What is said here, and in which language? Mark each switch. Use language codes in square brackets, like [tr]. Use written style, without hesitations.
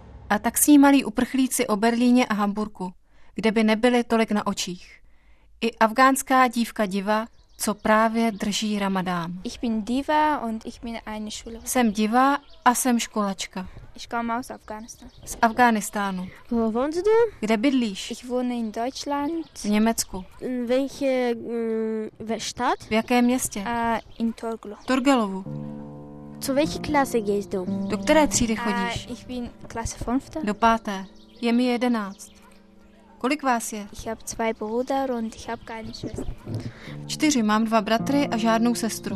[cs] A tak s ní malí uprchlíci o Berlíně a Hamburku, kde by nebyli tolik na očích. I afgánská dívka diva, co právě drží Ramadán. [de] Ich bin Diva und ich bin eine Schülerin. [cs] Jsem diva a jsem školačka. [de] Ich komme aus Afghanistan. [cs] Z Afghánistánu. [de] Wo wohnst du? [cs] Kde bydlíš? [de] Ich wohne in Deutschland. [cs] V Německu. [de] In welche Stadt? [cs] V jakém městě? [de] In Torgelov. [cs] Torgelovu. [de] Zu welche Klasse gehst du? [cs] Do které třídy chodíš? [de] Ich bin Klasse 5. [cs] Do páté. Je mi 11. Kolik vás je? [de] Ich habe zwei Brüder und ich habe keine Schwester. [cs] Čtyři, mám dva bratry a žádnou sestru.